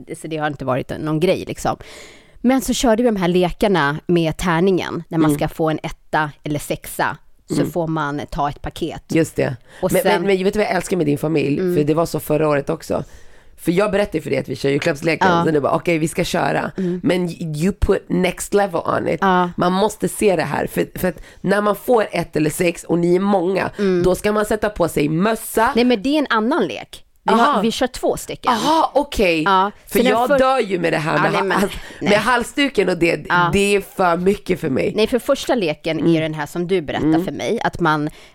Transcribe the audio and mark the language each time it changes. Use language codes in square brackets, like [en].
[sv] Så det har inte varit någon grej liksom. Men så körde vi de här lekarna med tärningen. När man ska få en etta eller sexa. Så får man ta ett paket. Just det. Och sen... men vet du vad jag älskar med din familj? Mm. För det var så förra året också. För jag berättade för dig att vi kör julklappsleken. Ja. Så du bara, okej, vi ska köra. Mm. [en] Men you put next level on it. [sv] Ja. Man måste se det här. För att när man får 1 eller 6 och ni är många. Mm. Då ska man sätta på sig mössa. Nej, men det är en annan lek. Vi kör 2 stycken. Aha, okej. Okay. Ja. För jag dör ju med det här. Ja, med halsduken och det. Ja. Det är för mycket för mig. Nej, för första leken är den här som du berättade för mig. Att man...